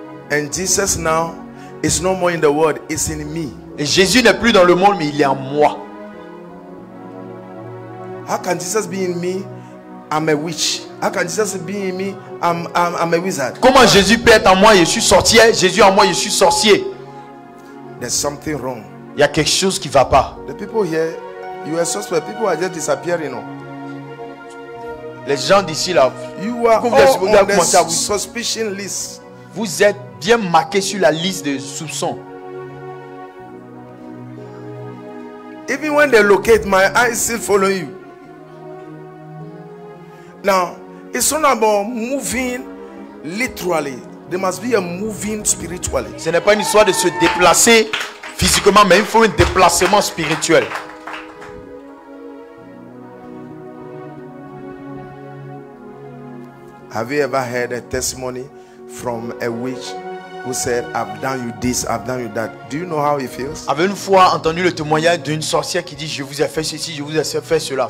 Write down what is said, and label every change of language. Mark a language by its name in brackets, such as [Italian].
[English] And Jesus now is no more in the world; it's in me. [French] Et Jésus n'est plus dans le monde, mais il est en moi. [English] How can Jesus be in me? I'm a witch. How can Jesus be in me? I'm a wizard. [French] Comment Jésus peut être en moi? Je suis sorcier. Jésus en moi, je suis sorcier. [English] There's something wrong. [French] Il y a quelque chose qui va pas. [English] The people here, you are suspect. People are just disappearing, you know. [French] Les gens d'ici là, [English] you are all on the suspicion list. [French] Vous êtes bien marqué sur la liste de soupçons. [English] Even when they locate, my eyes still follow you. Now, it's not about moving literally. There must be a moving spiritually. [French] Ce n'est pas une histoire de se déplacer physiquement, mais il faut un déplacement spirituel. [English] Have you ever heard a testimony from a witch who said, "I've done you this, I've done you that"? Do you know how it feels? [French] Avez-vous une fois entendu le témoignage d'une sorcière qui dit, "Je vous ai fait ceci, je vous ai fait cela"?